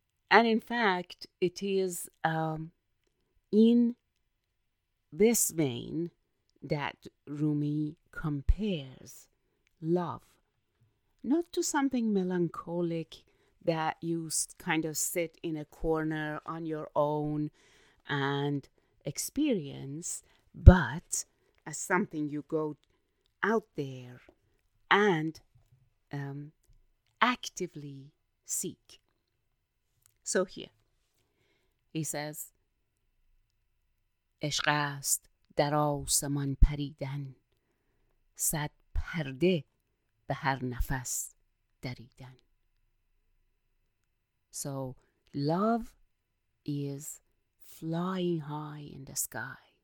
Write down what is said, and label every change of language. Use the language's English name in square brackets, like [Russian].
[English] And in fact, it is in this vein that Rumi compares love, not to something melancholic that you kind of sit in a corner on your own and experience, but as something you go out there and actively seek. So here, he says, [Persian] عشق است در آسمان پریدن، صد پرده به هر نفس دریدن. [English] So love is flying high in the sky.